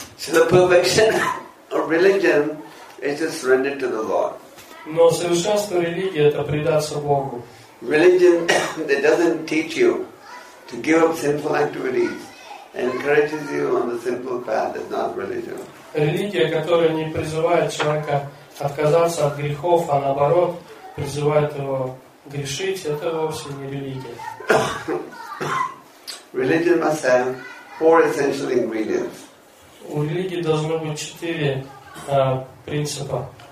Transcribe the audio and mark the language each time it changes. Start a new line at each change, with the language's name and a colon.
English: So the perfection of religion is to surrender to the Lord.
Russian: Но совершенство религии — это предаться Богу.
English: Religion that doesn't teach you to give up sinful activities and encourages you on the simple path is not religion.
Russian: Религия, которая не призывает человека отказаться от грехов, а наоборот призывает его грешить, это вовсе не религия.
English: Religion must have four essential ingredients.
Russian: У религии должно быть четыре принципа.